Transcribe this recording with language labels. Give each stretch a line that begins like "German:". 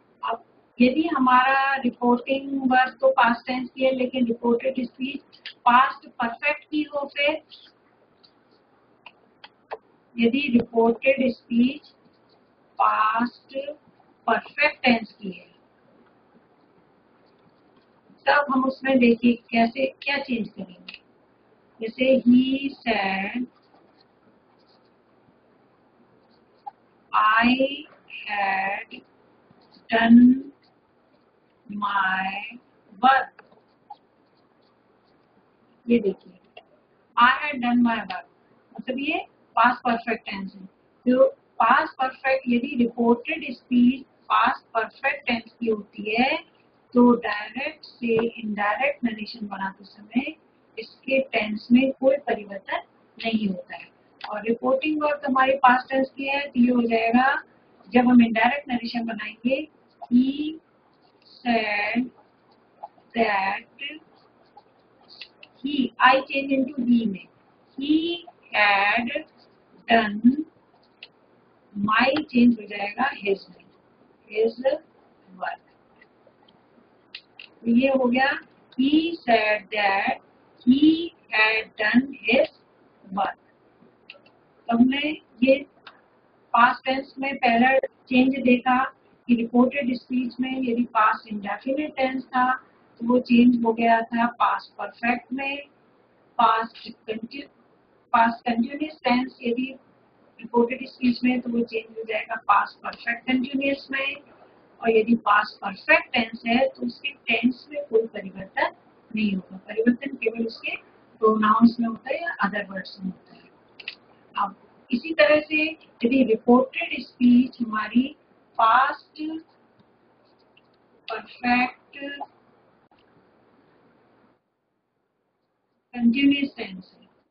Hindi: अब यदि हमारा रिपोर्टिंग वर्ब तो पास्ट टेंस की है लेकिन रिपोर्टेड स्पीच पास्ट परफेक्ट की हो, फिर यदि reported speech past perfect tense की है तब हम उसमें देखिए कैसे क्या चेंज करेंगे.
English: जैसे he said I had done my work.
Hindi: ये देखिए
English: I had done my work,
Hindi: मतलब ये past perfect tense है. तो past perfect यदि reported speech past perfect tense की होती है तो direct से indirect narration बनाते समय इसके टेंस में कोई परिवर्तन नहीं होता है. और रिपोर्टिंग वर्ब हमारे पास टेंस की है तो ये हो जाएगा जब हम इनडायरेक्ट नरेशन बनाएंगे he said that he I change into B में he had done my change हो जाएगा हिज में हिज वर्क. ये हो गया
English: He said that He had done his work.
Hindi: हमने ये past tense में पहला change देखा कि reported speech में यदि past indefinite tense था तो वो change हो गया था past perfect में. past continuous tense यदि reported speech में तो वो change हो जाएगा past perfect continuous में. और यदि past perfect tense है तो उसके tense में कोई परिवर्तन नहीं होगा. परिवर्तन केवल उसके प्रोनाउंस में होता है या अदर वर्ड्स में होता है. अब इसी तरह से यदि रिपोर्टेड स्पीच हमारी पास्ट परफेक्ट कंटिन्यूअस टेंस है,